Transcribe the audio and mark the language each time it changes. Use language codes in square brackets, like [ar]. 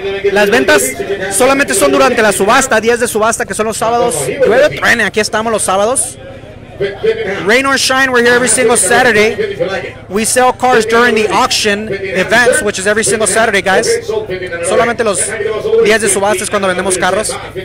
[es] Las ventas solamente son durante la subasta, días de subasta, que son los sábados. Llueve, truene, aquí estamos los sábados. [en] Rain or shine, we're here every single Saturday. We sell cars during the auction events, which is every single Saturday, guys. [es] Solamente los días de subastas cuando vendemos carros.